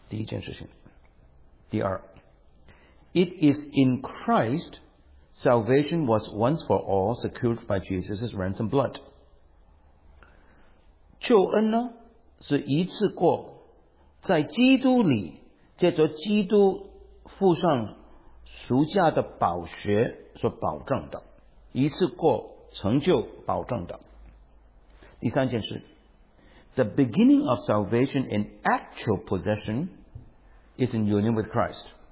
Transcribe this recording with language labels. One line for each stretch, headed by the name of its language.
Chinese: 救赎的起源乃是圣父在永恒里，在基督里的拣选。第一件事情，第二,
English: It is in Christ salvation was once for all secured by Jesus' ransom blood.
Chinese: 救恩呢，是一次过在基督里，借着基督付上赎价的宝血所保证的，一次过成就保证的。第三件事,
English: The beginning of salvation in actual possession is in union with Christ.